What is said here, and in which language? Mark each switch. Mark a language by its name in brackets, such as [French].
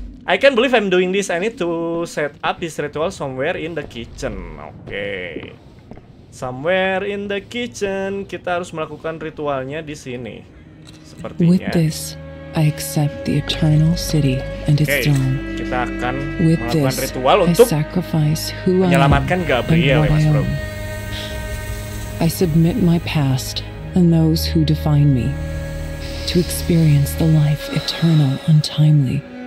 [English] I can't believe I'm doing this. I need to set up this ritual somewhere in the kitchen. Oke. Okay. Somewhere in the kitchen. [Indonesian] Kita harus melakukan ritualnya di sini. Sepertinya. [English] With this, I accept the Eternal City and its throne. Okay. [Indonesian] Kita akan melakukan ritual untuk menyelamatkan Gabriel, Mas Bro. [English] I submit my past and those who define me to experience the life eternal, untimely.